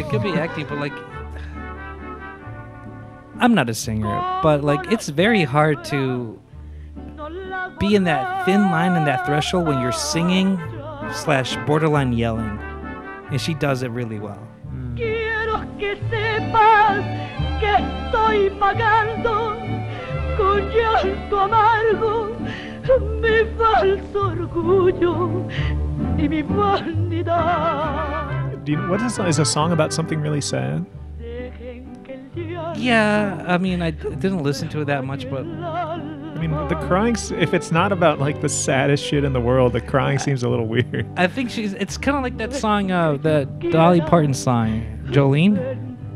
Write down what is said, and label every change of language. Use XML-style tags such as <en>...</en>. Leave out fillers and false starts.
<en>It could be acting, but like, I'm not a singer, but like, it's very hard to be in that thin line and that threshold when you're singing / borderline yelling, and she does it really well.</en> <es>Quiero que sepas que estoy pagando con llanto amargo mi falso orgullo y mi vanidad.</es> <en>What is this? Is a song about something really sad? Yeah, I mean, I didn't listen to it that much, but I mean, the crying, if it's not about like the saddest shit in the world, the crying seems a little weird. I think it's kind of like that song, the Dolly Parton song, Jolene.</en>